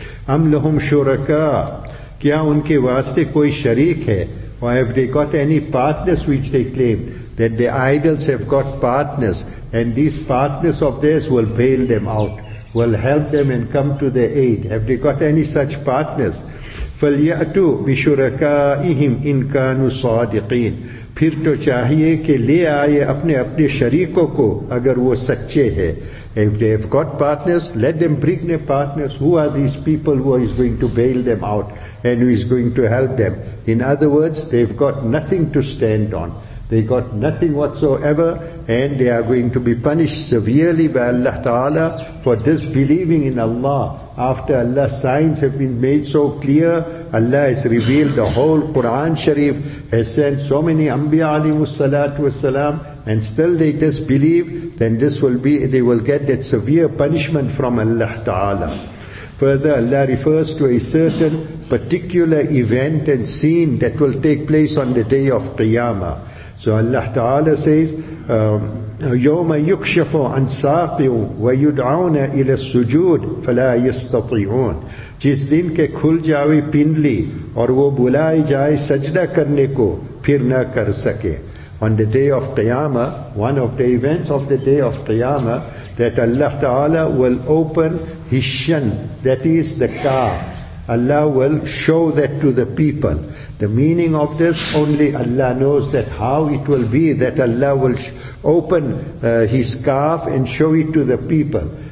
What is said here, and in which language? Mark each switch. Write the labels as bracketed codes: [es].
[ar] أَمْ لَهُمْ شُرَكَىٰ. [ur] Kya unke waaste koi shareek hai? [en] Or have they got any partners which they claim? That their idols have got partners. And these partners of theirs will bail them out, will help them and come to their aid. Have they got any such partners? [ar] فَلْيَأْتُوا بِشُرَكَائِهِمْ إِنْ كَانُوا صَادِقِينَ. [ur] پھر تو چاہیے کہ لے آئے اپنے شریکوں کو اگر وہ سچے ہیں. [en] If they have got partners, let them bring their partners. Who are these people who is going to bail them out and who is going to help them? In other words, they've got nothing to stand on. They got nothing whatsoever, and they are going to be punished severely by Allah Ta'ala for disbelieving in Allah. After Allah's signs have been made so clear, Allah has revealed the whole Quran Sharif, has sent so many Anbiya alayhimu salatu wasalam, and still they disbelieve, then they will get that severe punishment from Allah Ta'ala. Further, Allah refers to a certain particular event and scene that will take place on the day of Qiyamah. So Allah Ta'ala says, [ar] يَوْمَ يُكْشَفُ عَنْ سَاقِهُ وَيُدْعَوْنَ إِلَى السُّجُودِ فَلَا يَسْتَطِعُونَ. [ur] جس دن کے کھل جاوی پندلی اور وہ بلائی جائے سجدہ کرنے کو پھر نہ کر سکے. [en] On the day of Qiyamah, one of the events of the day of Qiyamah, that Allah Ta'ala will open his shin, that is the calf. Allah will show that to the people. The meaning of this, only Allah knows that how it will be, that Allah will open his calf and show it to the people.